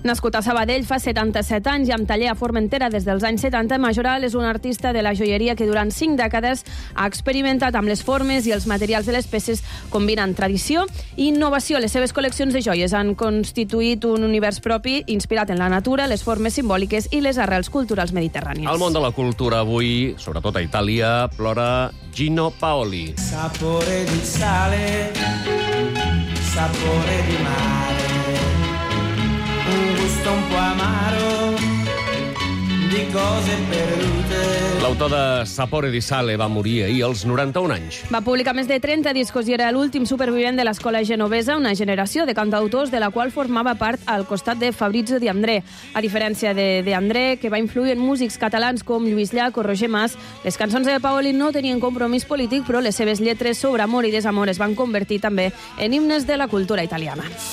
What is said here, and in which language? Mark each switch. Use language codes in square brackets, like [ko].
[ca] Nascut a Sabadell fa 77 anys i amb taller a Formentera des dels anys 70, Majoral és un artista de la joieria que durant 5 dècades ha experimentat amb les formes i els materials de les peces combinant tradició i innovació. Les seves col·leccions de joies han constituït un univers propi inspirat en la natura, les formes simbòliques i les arrels culturals mediterrànies. El món de la cultura avui, sobretot a Itàlia, plora Gino Paoli. [it] Sapore di sale, sapore di mare, un gusto un po' amaro di cose perdute. [ca] L'autor de Sapore di Sale va morir ahir als 91 anys. Va publicar més de 30 discos i era l'últim supervivent de l'escola genovesa, una generació de cantautors de la qual formava part al costat de Fabrizio Di André. A diferència de André, que va influir en músics catalans com Lluís Llach o Roger Mas, les cançons de Paoli no tenien compromís polític, però les seves lletres sobre amor i desamor es van convertir també en himnes de la cultura italiana.